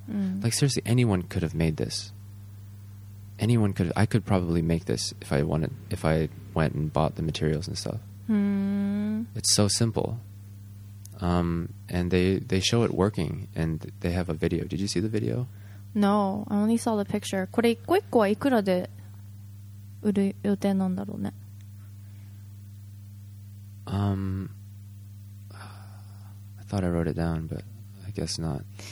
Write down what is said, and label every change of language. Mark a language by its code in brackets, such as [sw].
[en] Like seriously, anyone could have made this. Anyone could. I could probably make this if I wanted. If I went and bought the materials and stuff. It's so simple. And they show it working, and they have a video. Did you see the video? No, I only saw the picture. [ja] これ一個一個はいくらで売る予定なんだろうね。 [en] I thought I wrote it down, but I guess not.